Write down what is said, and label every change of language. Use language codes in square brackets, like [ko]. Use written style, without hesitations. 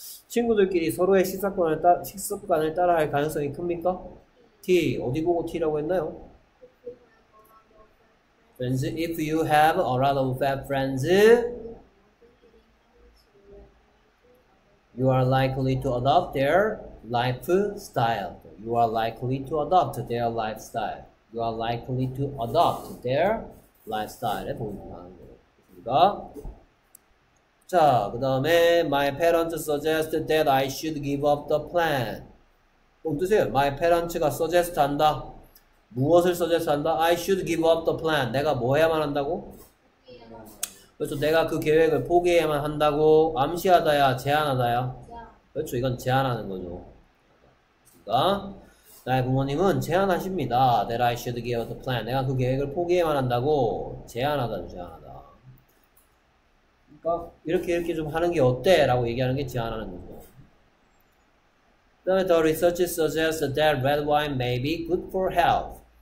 [ko] 친구들끼리 서로의 식습관을 따라할 가능성이 큽니까? T, 어디 보고 T라고 했나요? [en] Friends, if you have a lot of fat friends, you are likely to adopt their lifestyle. You are likely to adopt their lifestyle. You are likely to adopt their lifestyle. [ko] 자, 그 다음에 [en] My parents suggest that I should give up the plan. [ko] 어떠세요? My parents가 suggest 한다. 무엇을 suggest 한다? [en] I should give up the plan. [ko] 내가 뭐 해야만 한다고? 그렇죠. 내가 그 계획을 포기해야만 한다고 암시하다야, 제안하다야. 그렇죠. 이건 제안하는 거죠. 그러니까 나의 부모님은 제안하십니다. [en] That I should give up the plan. [ko] 내가 그 계획을 포기해야만 한다고 제안하다, 제안하다. 그러니까 이렇게 좀 하는 게 어때? 라고 얘기하는 게 제안하는 거죠. 그 다음에 [en] The research suggests that red wine may be good for health.